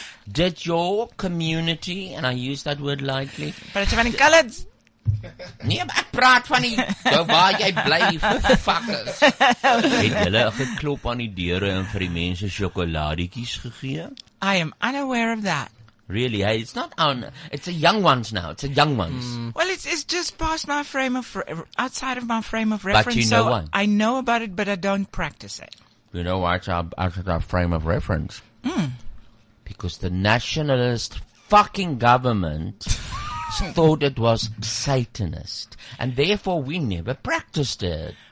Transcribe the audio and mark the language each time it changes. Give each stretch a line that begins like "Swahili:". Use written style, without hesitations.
English: Did your community, and I use that word lightly. But it's colors.
Afrikaans: Nee, ek praat van die, nou waar jy bly, fuckers. Het hulle geklop aan die deure en vir die mense sjokoladiekies gegee?
English: I am unaware of that. Really, hey, it's not on, it's a young ones now, it's a young ones. Well, it's just past my frame of, outside of my frame of reference. But you know so what? I know about it, but I don't practice it. You know why it's our frame of reference? Mm. Because the nationalist fucking government thought it was Satanist, and therefore we never practiced it.